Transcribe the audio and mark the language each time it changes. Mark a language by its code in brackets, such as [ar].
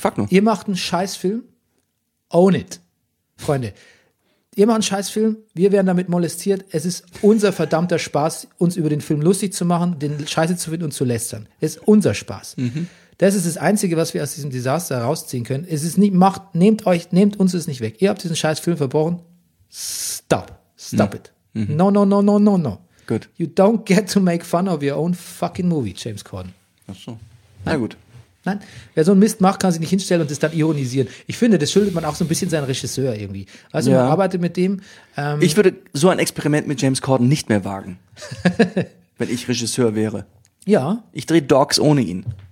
[de] Ihr macht einen Scheißfilm, [en] own it. [de] Freunde, ihr macht einen Scheißfilm, wir werden damit molestiert. Es ist unser verdammter Spaß, uns über den Film lustig zu machen, den Scheiße zu finden und zu lästern. Es ist unser Spaß. Mhm. Das ist das Einzige, was wir aus diesem Desaster rausziehen können. Es ist nicht, macht, nehmt uns es nicht weg. Ihr habt diesen Scheißfilm verbrochen. [en] Stop it. Mhm. No. Good. You don't get to make fun of your own fucking movie, James Corden. [de] Ach so. Nein. Na gut. Nein, wer so einen Mist macht, kann sich nicht hinstellen und das dann ironisieren. Ich finde, das schuldet man auch so ein bisschen seinen Regisseur irgendwie. Also ja. Man arbeitet mit dem. Ich würde so ein Experiment mit James Corden nicht mehr wagen, wenn ich Regisseur wäre. Ja. Ich drehe Dogs ohne ihn.